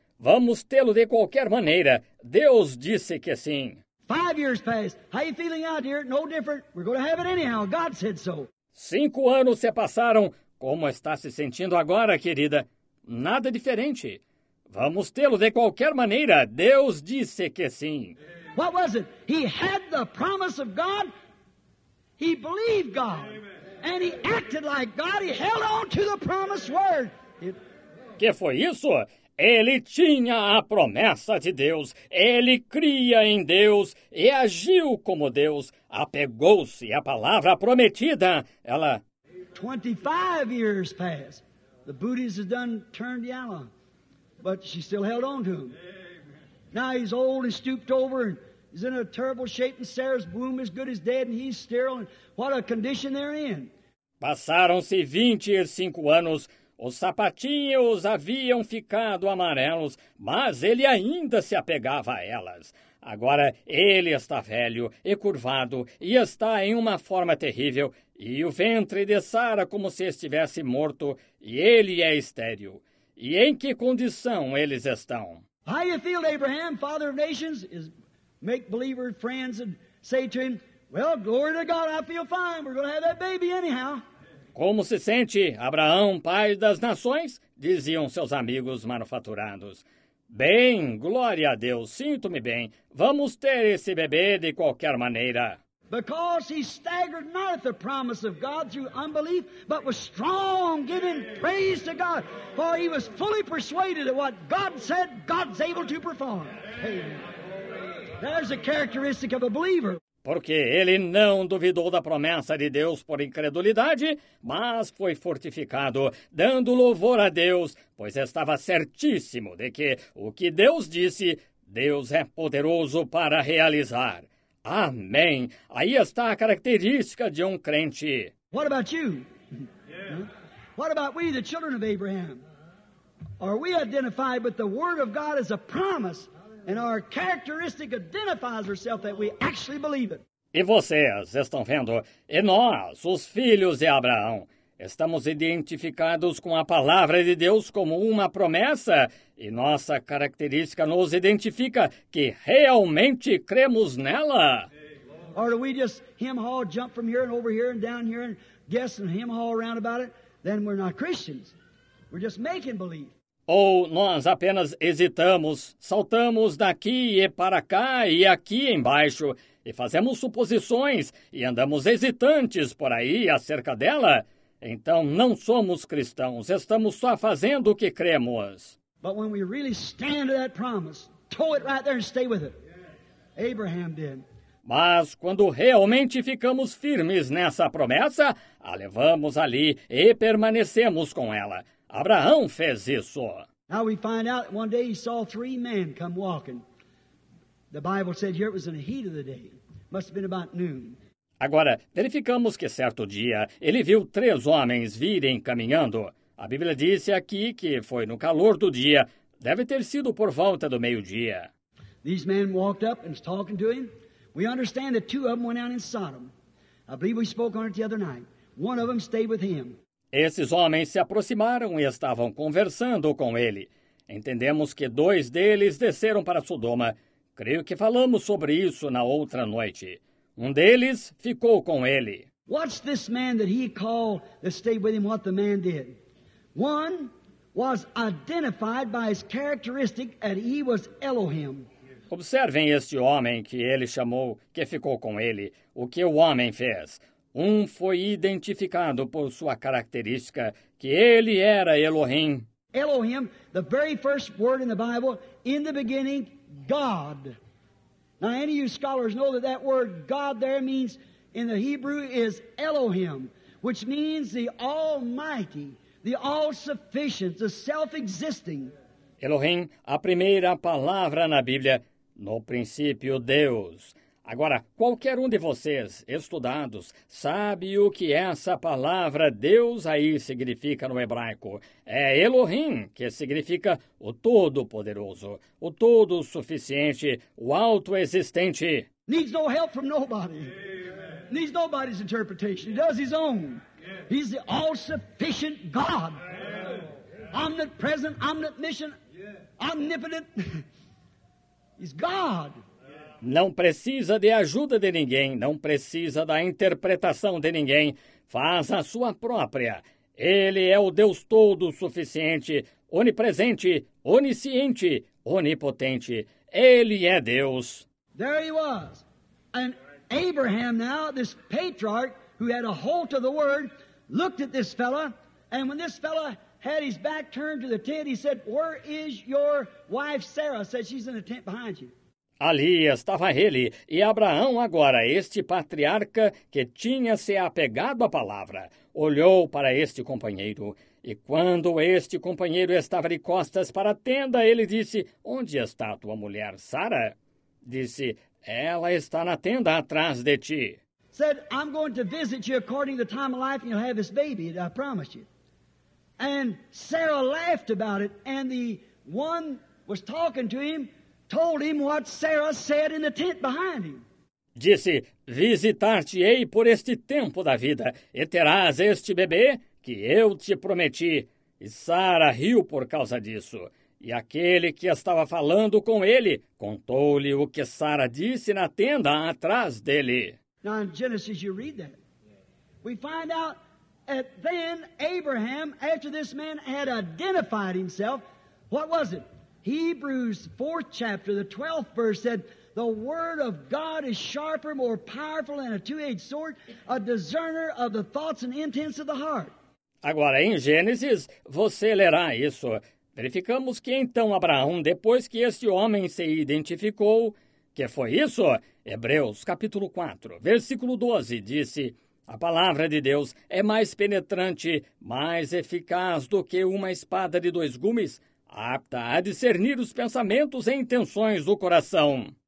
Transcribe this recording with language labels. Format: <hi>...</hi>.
<pt>Vamos tê-lo de qualquer maneira. Deus disse que sim.</pt> <en>5 years passed. How you feeling out here? No different. We're going to have it anyhow. God said so.</en> <pt>5 anos se passaram. Como está se sentindo agora, querida? Nada diferente. Vamos tê-lo de qualquer maneira. Deus disse que sim.</pt> <en>What was it? He had the promise of God. He believed God. And he acted like God. He held on to the promised word.</en> <pt>Que foi isso? Ele tinha a promessa de Deus, ele cria em Deus e agiu como Deus, apegou-se à palavra prometida. Ela...</pt> <en>25 years passed. The booties had done turned yellow, but she still held on to him. Now he's old and stooped over and he's in a terrible shape and Sarah's womb is good as dead and he's sterile and what a condition they're in.</en> <pt>Passaram-se 25 anos. Os sapatinhos haviam ficado amarelos, mas ele ainda se apegava a elas. Agora ele está velho e curvado e está em uma forma terrível, e o ventre de Sara como se estivesse morto, e ele é estéril. E em que condição eles estão?</pt> <en>How you feel, Abraham, father of nations, is make believer friends and say to him, well, glory to God, I feel fine, we're going to have that baby anyhow.</en> <pt>Como se sente, Abraão, pai das nações? Diziam seus amigos manufaturados. Bem, glória a Deus, sinto-me bem. Vamos ter esse bebê de qualquer maneira.</pt> <en>Because he staggered not at the promise of God through unbelief, but was strong, giving praise to God. For he was fully persuaded that what God said, God's able to perform. There's a characteristic of a believer.</en> <pt>Porque ele não duvidou da promessa de Deus por incredulidade, mas foi fortificado, dando louvor a Deus, pois estava certíssimo de que o que Deus disse, Deus é poderoso para realizar. Amém. Aí está a característica de um crente.</pt> <en>What about you? What about we, the children of Abraham? Are we identified with the word of God as a promise? And our characteristic identifies herself that we actually believe it.</en> <pt>E vocês estão vendo? E nós, os filhos de Abraão, estamos identificados com a palavra de Deus como uma promessa, e nossa característica nos identifica que realmente cremos nela.</pt> <en>Or do we just hem-haw, jump from here and over here and down here and guess and hem-haw around about it? Then we're not Christians. We're just making believe.</en> <pt>Ou nós apenas hesitamos, saltamos daqui e para cá e aqui embaixo e fazemos suposições e andamos hesitantes por aí acerca dela? Então não somos cristãos, estamos só fazendo o que cremos.</pt> <en>But when we really stand to that promise, tow it right there and stay with it. Abraham did.</en> <pt>Mas quando realmente ficamos firmes nessa promessa, a levamos ali e permanecemos com ela. Abraão fez isso.</pt> <en>Now we find out one day he saw three men come walking. The Bible said here it was in the heat of the day. Must have been about noon.</en> <pt>Agora, verificamos que certo dia ele viu três homens virem caminhando. A Bíblia disse aqui que foi no calor do dia. Deve ter sido por volta do meio-dia.</pt> <en>These men walked up and was talking to him. We understand that two of them went out in Sodom. I believe we spoke on it the other night. One of them stayed with him.</en> <pt>Esses homens se aproximaram e estavam conversando com ele. Entendemos que dois deles desceram para Sodoma. Creio que falamos sobre isso na outra noite. Um deles ficou com ele.</pt> <en>What's this man that he called that stayed with him, what the man did? One was identified by his characteristic that he was Elohim.</en> <pt>Observem este homem que ele chamou, que ficou com ele, o que o homem fez. Um foi identificado por sua característica, que ele era Elohim.</pt> <en>Elohim, the very first word in the Bible, in the beginning, God. Now, any of you scholars know that that word God there means in the Hebrew is Elohim, which means the Almighty, the All-Sufficient, the Self-Existing.</en> <pt>Elohim, a primeira palavra na Bíblia, no princípio Deus. Agora, qualquer um de vocês, estudados, sabe o que essa palavra Deus aí significa no hebraico. É Elohim, que significa o Todo-Poderoso, o Todo-Suficiente, o Alto-Existente.</pt> <en>Needs no help from nobody. Amen. Needs nobody's interpretation. He does his own. He's the all-sufficient God. Omnipresent, omniscient, omnipotent. He's God.</en> <pt>Não precisa de ajuda de ninguém, não precisa da interpretação de ninguém. Faz a sua própria. Ele é o Deus Todo-Suficiente, onipresente, onisciente, onipotente. Ele é Deus.</pt> <en>There he was. And Abraham now, this patriarch, who had a hold of the word, looked at this fella, and when this fella had his back turned to the tent, he said, where is your wife Sarah? Said, she's in the tent behind you.</en> <pt>Ali estava ele, e Abraão agora, este patriarca que tinha se apegado à palavra, olhou para este companheiro. E quando este companheiro estava de costas para a tenda, ele disse, onde está tua mulher, Sara? Disse, ela está na tenda atrás de ti.</pt> <en>Said, I'm going to visit you according to the time of life, and you'll have this baby, I promised you. And Sarah laughed about it, and the one was talking to him, told him what Sarah said in the tent behind him.</en> <pt>Disse, visitar-te-ei por este tempo da vida, e terás este bebê que eu te prometi. E Sara riu por causa disso. E aquele que estava falando com ele, contou-lhe o que Sara disse na tenda atrás dele.</pt> <en>Now in Genesis you read that. We find out that then Abraham, after this man had identified himself, what was it? Hebrews 4th chapter, the 12th verse said, the word of God is sharper, more powerful than a two-edged sword, a discerner of the thoughts and intents of the heart.</en> <pt>Agora, em Gênesis, você lerá isso. Verificamos que então Abraão, depois que este homem se identificou, que foi isso? Hebreus capítulo 4, versículo 12, disse, a palavra de Deus é mais penetrante, mais eficaz do que uma espada de dois gumes, apta a discernir os pensamentos e intenções do coração.</pt>